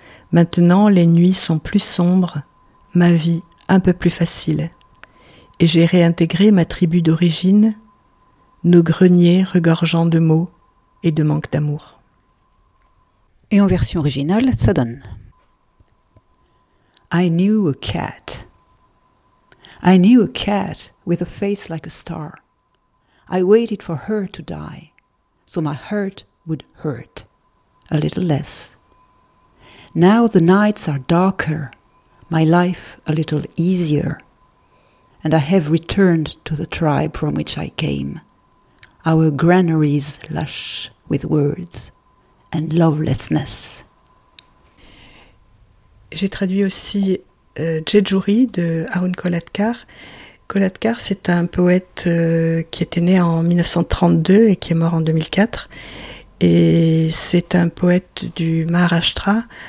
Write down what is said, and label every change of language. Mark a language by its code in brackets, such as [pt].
[fr] Maintenant, les nuits sont plus sombres, ma vie un peu plus facile. Et j'ai réintégré ma tribu d'origine, nos greniers regorgeant de mots et de manque d'amour. Et en version originale, ça donne. [en] I knew a cat. I knew a cat with a face like a star. I waited for her to die, so my heart would hurt a little less. Now the nights are darker, my life a little easier. And I have returned to the tribe from which I came. our granaries lush with words and lovelessness. [fr] J'ai traduit aussi Jejuri de Arun Kolhatkar. Kolhatkar, c'est un poète qui était né en 1932 et qui est mort en 2004. Et c'est un poète du Maharashtra.